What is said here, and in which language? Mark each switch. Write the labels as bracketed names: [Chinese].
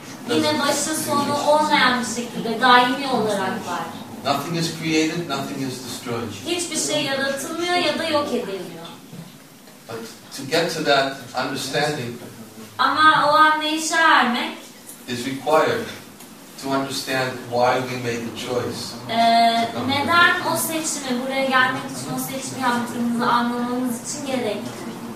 [Turkish] yine başı sonu olmayan bir şekilde daimi olarak var. [English] Nothing is created, nothing is destroyed. [Turkish] Hiçbir şey yaratılmıyor ya da yok ediliyor. [English] But to get to that understanding, [Turkish] ama o anlayışa ermek [English] is required to understand why we made the choice. [Turkish] Neden o seçimi buraya gelmek için o seçimi yaptığımızı anlamamız için gerekli.